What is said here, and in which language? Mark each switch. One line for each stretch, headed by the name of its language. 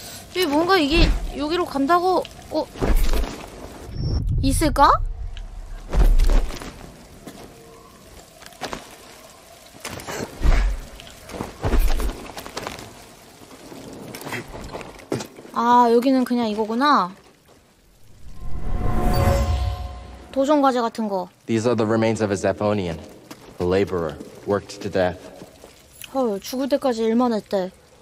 Korean: 이게 뭔가 이게 여기로 간다고 있을까? 아, 여기는 그냥 이거구나. 도전 과제 같은 거.
English: These are the remains of a Zephonian, a laborer worked to death.
Korean: 헐, 죽을 때까지 일만 했대.